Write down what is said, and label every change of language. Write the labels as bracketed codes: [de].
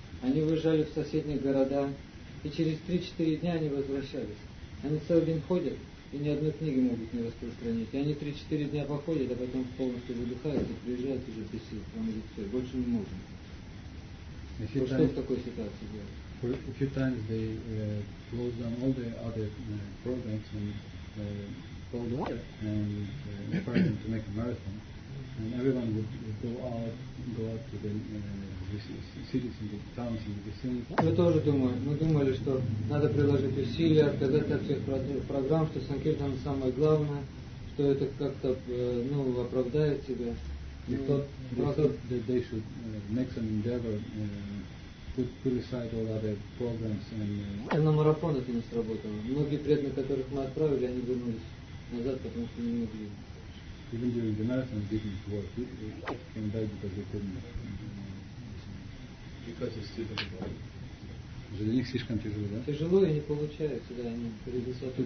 [ru] Они выезжали в соседние города, и через 3-4 дня они возвращались. Они целый день ходят, и ни одной книги могут не распространить. И они 3-4 дня походят, а потом полностью выдыхают и приезжают уже без сил, там лицо, больше не можем. Что в такой ситуации делать? [en] For a few times they closed down all the other programs and called them and required them to make a marathon. And everyone would go out to the cities and the towns and the vicinity. [ru] Мы тоже думали. Мы думали, что надо приложить усилия, отказаться от всех программ, что Санкиртан самое главное, что это как-то оправдает себя. [en] We thought that they should make some endeavor put aside all other programs and [ru] на марафон это не сработало. Многие преданные, которых мы отправили, они вернулись назад, потому что не могли. [en] even during the marathon didn't work. It came back because they couldn't. Because it's too difficult. [ru] Уже для них слишком тяжело, да? Тяжело и не получается, да, они перед высотой